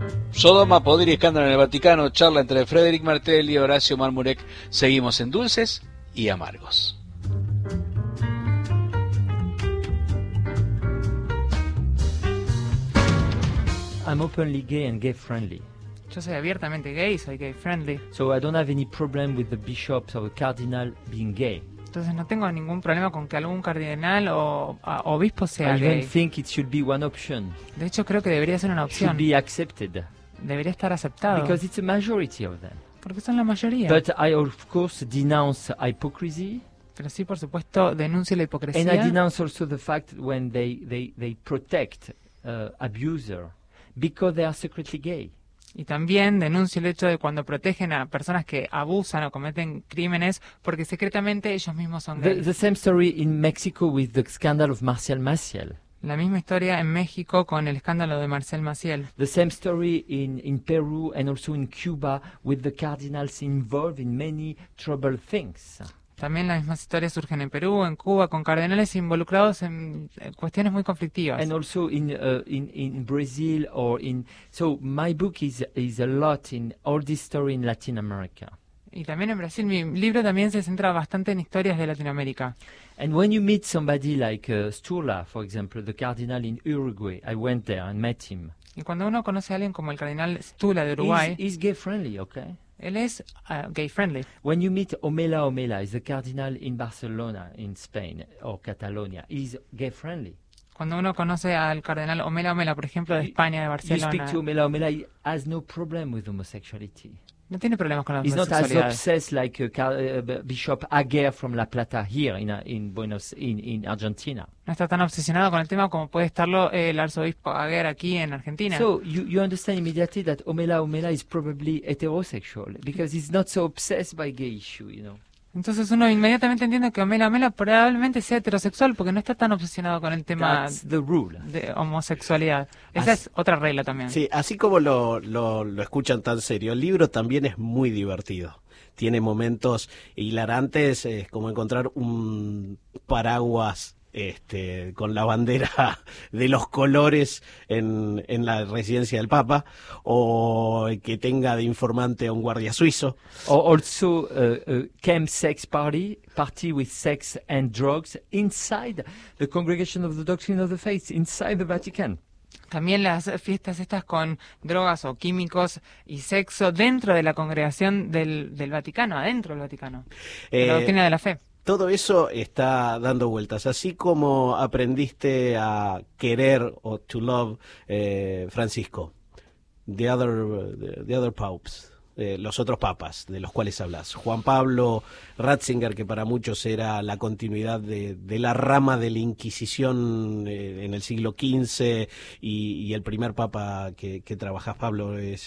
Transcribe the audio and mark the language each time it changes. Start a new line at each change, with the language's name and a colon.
Spanish: Sodoma, poder y escándalo en el Vaticano, charla entre Frederick Martel y Horacio Marmurek. Seguimos en Dulces y Amargos.
English: I'm openly gay and gay friendly.
Spanish: Yo soy abiertamente gay y soy gay friendly.
English: So I don't have any problem with the bishops or the cardinal being gay.
Spanish: Entonces no tengo ningún problema con que algún cardenal o obispo sea gay.
English: I even think it should be one option.
Spanish: De hecho creo que debería ser una opción.
English: Should be accepted.
Spanish: Debería estar aceptado.
English: Because it's a majority of them.
Spanish: Porque son la mayoría.
English: But I of course denounce hypocrisy.
Spanish: Pero sí, por supuesto, denuncio la hipocresía.
English: And I denounce also the fact when they protect abuser because they are secretly gay.
Spanish: Y también denuncio el hecho de cuando protegen a personas que abusan o cometen crímenes porque secretamente ellos mismos son gays.
English: The same story in Mexico with the scandal of Marcial Maciel.
Spanish: La misma historia en México con el escándalo de Marcial Maciel.
English: The same story in Peru and also in Cuba with the cardinals involved in many troubled things.
Spanish: También las mismas historias surgen en Perú, en Cuba, con cardenales involucrados en cuestiones muy conflictivas.
English: And also in Brazil or in so my book is a lot in all this story in Latin America.
Spanish: Y también en Brasil mi libro también se centra bastante en historias de Latinoamérica.
English: And when you meet somebody like Sturla, for example, the cardinal in Uruguay, I went there and met him.
Spanish: Y cuando uno conoce a alguien como el cardenal Sturla de Uruguay,
English: he's gay friendly, okay?
Spanish: Él es gay friendly.
English: When you meet Omela Omela, is the cardinal in Barcelona, in Spain, or Catalonia, he's gay friendly.
Spanish: Cuando uno conoce al cardenal Omela Omela, por ejemplo, de España, de Barcelona.
English: You speak to Omela Omela, he has no problem with homosexuality.
Spanish: No tiene problemas con la homosexualidad.
English: He's not as obsessed like Bishop Aguer from La Plata here in Argentina.
Spanish: No está tan obsesionado con el tema como puede estarlo el arzobispo Aguer aquí en Argentina.
English: So you understand immediately that Omela Omela is probably heterosexual because he's not so obsessed by gay issue, you know.
Spanish: Entonces uno inmediatamente entiende que Omela Omela probablemente sea heterosexual porque no está tan obsesionado con el tema de homosexualidad. Esa así, es otra regla también. Sí, así como lo escuchan tan serio, el libro también es muy divertido. Tiene momentos hilarantes, es como encontrar un paraguas con la bandera de los colores en la residencia del Papa, o que tenga de informante a un guardia suizo.
English: O also chem sex party with sex and drugs inside the Congregation of the Doctrine of the Faith, inside the Vatican.
Spanish: También las fiestas estas con drogas o químicos y sexo dentro de la congregación del Vaticano, adentro del Vaticano, la doctrina de la fe. Todo eso está dando vueltas. Así como aprendiste a querer o
English: to love
Spanish: Francisco, the other popes, los otros papas de los cuales hablas, Juan Pablo Ratzinger, que para muchos era la continuidad de la rama de la Inquisición en el siglo XV, y el primer papa que trabajas, Pablo, es...